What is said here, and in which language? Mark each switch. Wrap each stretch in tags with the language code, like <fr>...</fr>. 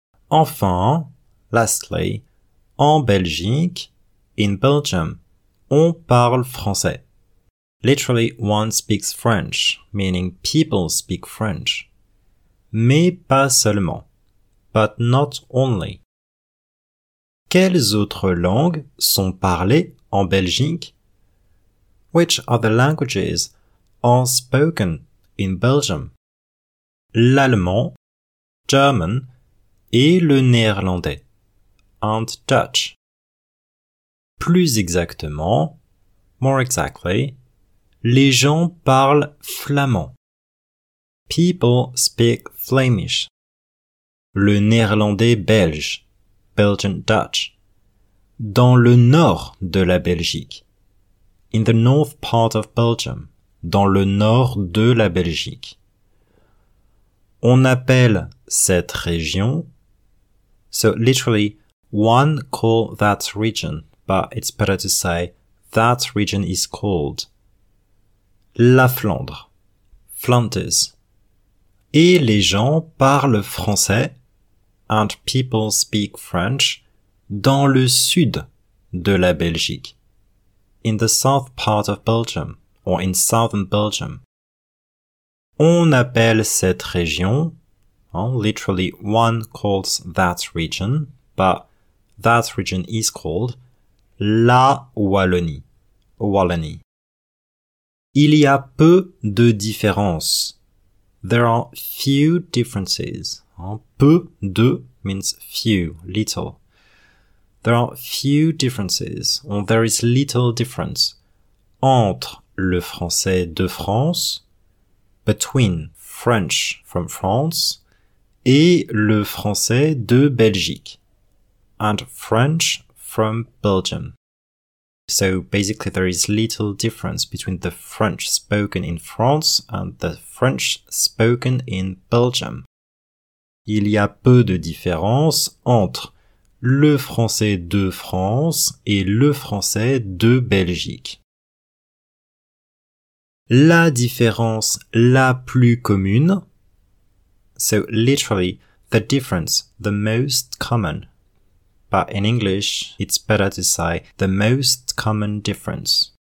<fr>Enfin,</fr> <en>lastly,</en> <fr>en Belgique,</fr> <en>in Belgium,</en> <fr>on parle français.</fr> <en>Literally, one speaks French, meaning people speak French.</en> <fr>Mais pas seulement.</fr> <en>But not only.</en> <fr>Quelles autres langues sont parlées en Belgique?</fr> <en>Which other languages are spoken in Belgium?</en> <fr>L'allemand,</fr> <en>German,</en> <fr>et le néerlandais,</fr> <en>and Dutch.</en> <fr>Plus exactement,</fr> <en>more exactly,</en> <fr>les gens parlent flamand.</fr> <en>People speak Flemish.</en> <fr>Le néerlandais belge,</fr> <en>Belgian Dutch.</en> <fr>Dans le nord de la Belgique.</fr> <en>In the north part of Belgium.</en> <fr>Dans le nord de la Belgique. On appelle cette région.</fr> <en>So literally, one call that region, but it's better to say that region is called</en> <fr>la Flandre.</fr> <en>Flanders.</en> <fr>Et les gens parlent français.</fr> <en>And people speak French.</en> <fr>Dans le sud de la Belgique.</fr> <en>In the south part of Belgium, or in southern Belgium.</en> <fr>On appelle cette région,</fr> <en>literally one calls that region, but that region is called</en> <fr>la Wallonie. Wallonie. Il y a peu de différences.</fr> <en>There are few differences. Peu de means few, little. There are few differences, or there is little difference,</en> <fr>entre le français de France,</fr> <en>between French from France,</en> <fr>et le français de Belgique, and French from Belgium.</fr> <en>So basically there is little difference between the French spoken in France and the French spoken in Belgium.</en> <fr>Il y a peu de différence entre le français de France et le français de Belgique. la différence la plus commune.</fr> <en>So literally, the difference, the most common. But in English, it's better to say the most common difference.</en>